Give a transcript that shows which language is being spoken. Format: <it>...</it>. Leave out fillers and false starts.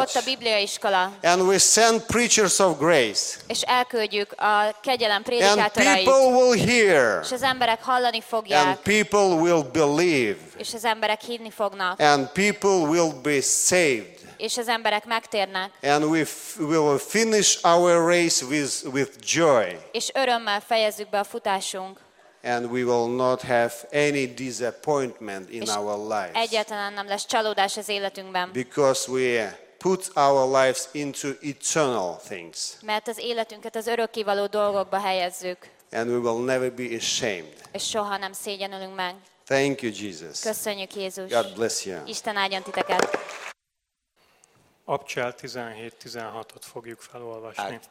<hu>Ott a bibliaiskola.</hu> <en>And we send preachers of grace.</en> <hu>És elküldjük a kegyelem prédikátorait.</hu> <en>And people will hear.</en> <hu>És az emberek hallani fogják.</hu> <en>And people will believe.</en> <hu>És az emberek hinni fognak.</hu> <en>And people will be saved.</en> <hu>És az emberek megtérnek.</hu> <en>And we will finish our race with joy.</en> <hu>És örömmel fejezzük be a futásunk.</hu> <en>And we will not have any disappointment in our lives.</en> <hu>Egyáltalán nem lesz csalódás az életünkben.</hu> <en>Because we put our lives into eternal things.</en> <hu>Mert az életünket az örökkévaló dolgokba helyezzük.</hu> <en>And we will never be ashamed.</en> <hu>És soha nem szégyenülünk meg.</hu> <en>Thank you, Jesus.</en> <hu>Köszönjük, Jézus.</hu> <en>God bless you.</en> <hu>Isten áldjon titeket. Apcsel 17-16-ot fogjuk felolvasni.</hu>